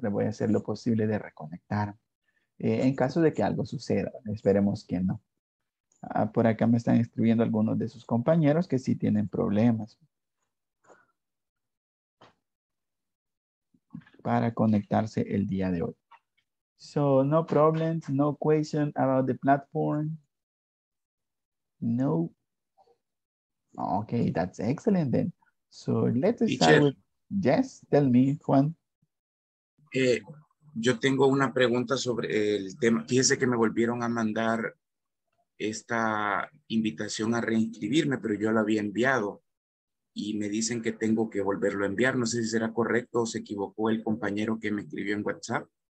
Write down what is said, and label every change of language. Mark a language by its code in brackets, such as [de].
[es] Le voy a hacer lo posible de reconectar. En caso de que algo suceda, esperemos que no. Ah, por acá me están escribiendo algunos de sus compañeros que sí tienen problemas para conectarse el día de hoy. [en] So, no problems, no question about the platform. No. Okay, that's excellent then. So, let's start with, yes, tell me, Juan. [es] Yo tengo una pregunta sobre el tema. Fíjese que me volvieron a mandar esta invitación a reinscribirme, pero yo la había enviado. Y me dicen que tengo que volverlo a enviar. No sé si será correcto o se equivocó el compañero que me escribió en WhatsApp.